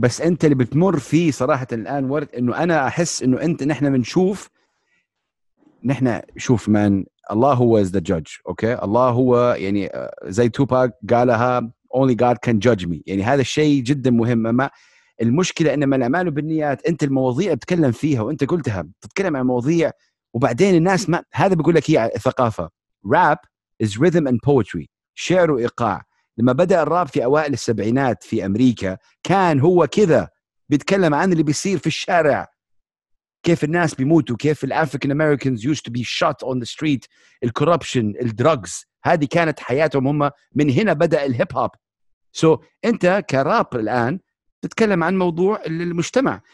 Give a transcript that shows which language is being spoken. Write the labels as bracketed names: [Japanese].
[Arabic] بس أنت اللي بتمر فيه صراحة الآن ورد إنه أنا أحس إنه أنت نحن منشوف نحن شوف من الله هو [English] is the judge okay [Arabic] الله هو يعني زي توباك قالها [English] only God can judge me. [Arabic] يعني هذا الشيء جدا مهم. ما المشكلة إنما الأعمال بالنيات. أنت المواضيع بتكلم فيها وأنت قلتها تتكلم عن مواضيع وبعدين الناس ما هذا بيقول لك هي ثقافة. [English] rap is rhythm and poetry [Arabic] شعر وإيقاع. لما بدأ الراب في أوائل السبعينات في أمريكا كان هو كذا بيتكلم عن اللي بيصير في الشارع كيف الناس بيموتوا كيف الأفريكان أمريكانز [English] used to be shot on the street [Arabic] الكوربشن الدرجز هذه كانت حياتهم هم. من هنا بدأ الهيب هوب. سو أنت كراب الآن بتتكلم عن موضوع المجتمع.